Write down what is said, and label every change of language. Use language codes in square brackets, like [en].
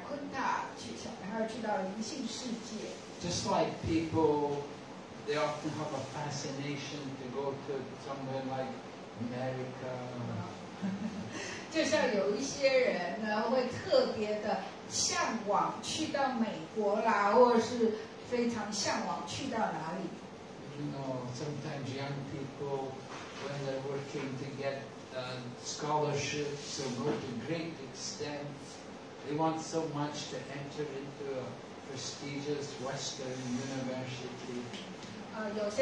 [zh] 所以我们应该对于这个维昆塔或者灵性世界有极大的这种渴望，那种梦想，就是非常急切的想要到维昆塔去，想要去到灵性世界。 [en] Just like people, they often have a fascination to go to somewhere like America. [zh] 就像有一些人呢，会特别的向往去到美国啦，或者是非常向往去到哪里。 [en] You know, sometimes young people, when they're working to get scholarships or go to great extents, they want so much to enter into a prestigious Western university.